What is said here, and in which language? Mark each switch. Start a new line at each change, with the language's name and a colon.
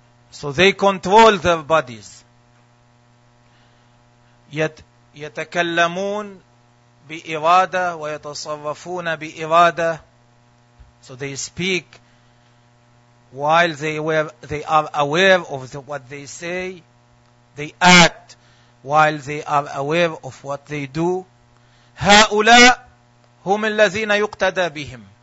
English: So they control their bodies.
Arabic: يتكلمون بإرادة ويتصرفون بإرادة.
English: So they speak while they are aware of what they say. They act while they are aware of what they do.
Arabic: هؤلاء هم الذين يقتدى بهم.